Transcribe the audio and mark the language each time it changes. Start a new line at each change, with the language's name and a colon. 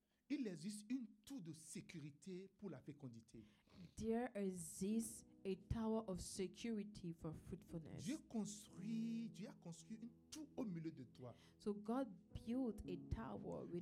French: Il existe une tour de sécurité pour la fécondité.
English: There exists a tower of security for fruitfulness.
French: Dieu a construit une tour au milieu de toi.
English: So God built a tower within